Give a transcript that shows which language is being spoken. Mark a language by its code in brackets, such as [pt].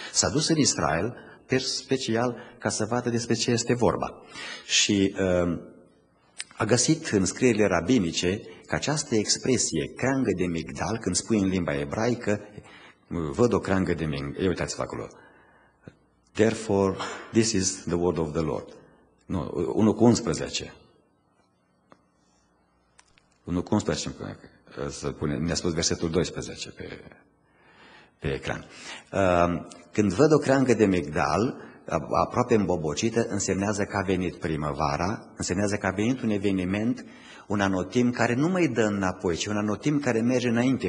[ro] S-a dus în Israel, per special, ca să vadă despre ce este vorba. Și a găsit în scrierile rabinice că această expresie, creangă de Migdal, când spui în limba ebraică, văd o creangă de Migdal. Ei, uitați-vă acolo. [en] Therefore, this is the word of the Lord. [ro] Nu, 1:11. 1:11, să pune, mi-a spus versetul 12 pe ecran. Când văd o creangă de Migdal, aproape îmbobocită, însemnează că a venit primăvara, însemnează că a venit un eveniment, un anotimp care nu mai dă înapoi, ci un anotimp care merge înainte.